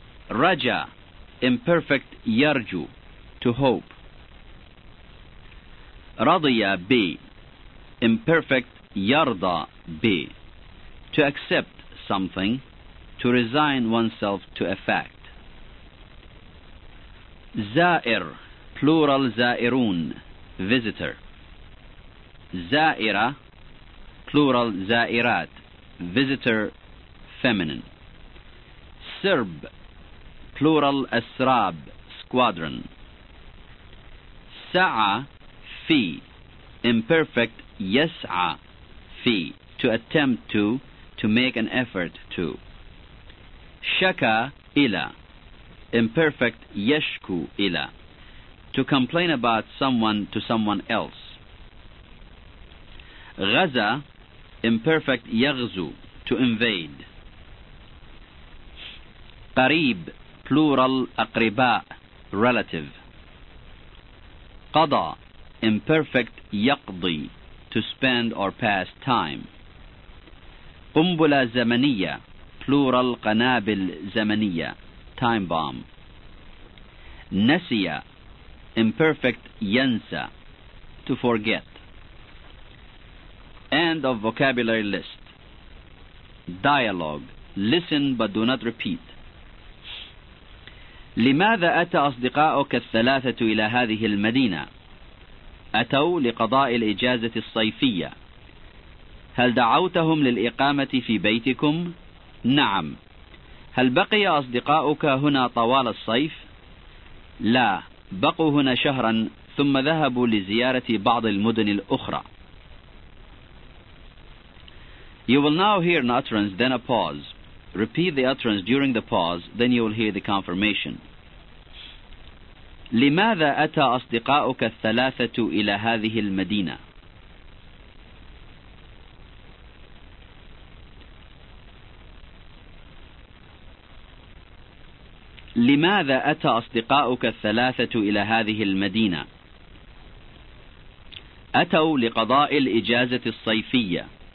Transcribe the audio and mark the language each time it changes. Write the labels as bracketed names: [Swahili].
[English] رجا, Imperfect يرجو, to hope. رضي ب, Imperfect يرضى ب, to accept something, to resign oneself to a fact. زائر, plural زائرون, visitor. زائرة, plural زائرات, visitor, feminine. سرب, plural أسراب, squadron. سعى, في, imperfect يسعى, في, to attempt to make an effort to. شكا إلى, imperfect يشكو إلى, to complain about someone to someone else. غزا, imperfect يغزو, to invade. قريب, plural أقرباء, relative. قضى, imperfect يقضي, to spend or pass time. [Arabic] قنبلة زمنية, plural قنابل زمنية, time bomb. [English] نسي, imperfect ينسى, to forget. End of vocabulary list. Dialogue. Listen but do not repeat. [Arabic] لماذا أتى أصدقاؤك الثلاثة إلى هذه المدينة؟ أتوا لقضاء الإجازة الصيفية. هل دعوتهم للإقامة في بيتكم؟ نعم. هل بقي أصدقاؤك هنا طوال الصيف؟ لا، بقوا هنا شهرا ثم ذهبوا لزيارة بعض المدن الأخرى. [English] You will now hear an utterance, then a pause. Repeat the utterance during the pause, then you will hear the confirmation. [Arabic] لماذا أتى أصدقاؤك الثلاثة إلى هذه المدينة؟ لماذا أتى أصدقاؤك الثلاثة إلى هذه المدينة؟ أتوا لقضاء الإجازة الصيفية.